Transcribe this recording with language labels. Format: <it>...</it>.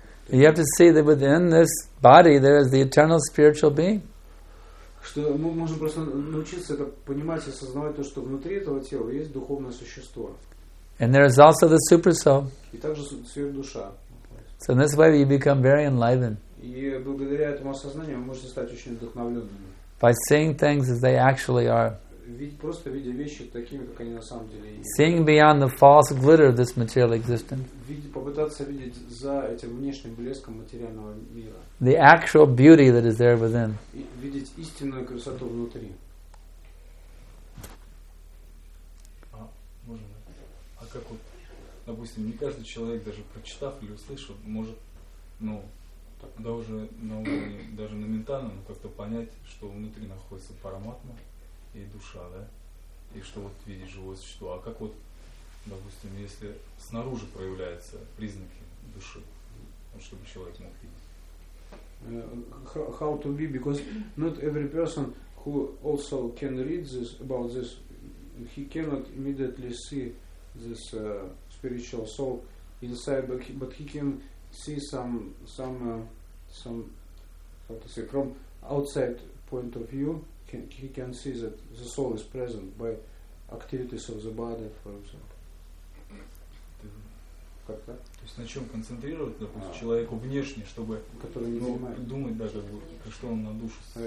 <en>You have to see that within this body there is the eternal spiritual being.</en> <ru>Что мы можем просто научиться это понимать и осознавать то, что внутри этого тела есть духовное существо.</ru> <en>And there is also the super soul.</en> <ru>И также сверхдуша.</ru> <en>So in this way you become very enlivened.</en> <ru>И благодаря этому осознанию вы можете стать очень вдохновленными.</ru> <en>By seeing things as they actually are.</en> <ru>Просто видя вещи такими, как они на самом деле есть.</ru> <en>Seeing beyond the false glitter of this material existence.</en> <ru>Попытаться видеть за этим внешним блеском материального мира.</ru> <en>The actual beauty that is there within.</en> <ru>Видеть истинную красоту внутри. А как вот, допустим, не каждый человек, даже прочитав или услышав, может, ну, тогда уже на уровне, даже на ментальном, как-то понять, что внутри находится параматма и душа, да, и что вот видит живое существо. А как вот, допустим, если снаружи проявляются признаки души, вот, чтобы человек мог видеть?</ru> <en>How to be? Because not every person who also can read this about this, he cannot immediately see this spiritual soul inside, but he can see some how to say from outside point of view. He can see that the soul is present by activities of the body, for example.</en> <ru>Как так? То есть на чем концентрировать, допустим, человеку внешне, чтобы думать даже, что он на душу.</ru>